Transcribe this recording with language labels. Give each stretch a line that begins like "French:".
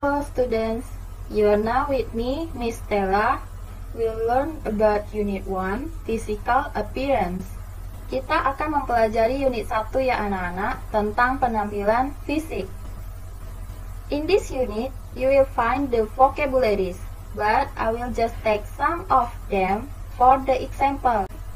English: students, you are now with me, Miss Stella. We'll learn about Unit 1, Physical Appearance.
Indonesian: Kita akan mempelajari Unit 1 ya anak-anak, tentang penampilan fisik.
English: In this unit, you will find the vocabularies, but I will just take some of them for the example.